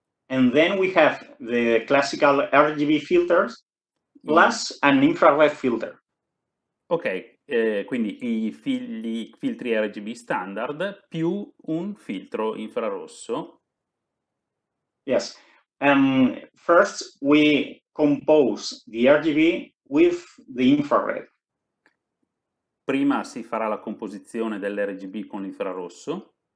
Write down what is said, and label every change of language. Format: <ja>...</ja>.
<en>And then we have the classical RGB filters plus an infrared filter.</en> <it>Ok, quindi i filtri RGB standard più un filtro infrarosso.</it> <en>Yes. First we compose the RGB with the infrared.</en> <it>Prima si farà la composizione dell'RGB con l'infrarosso.</it>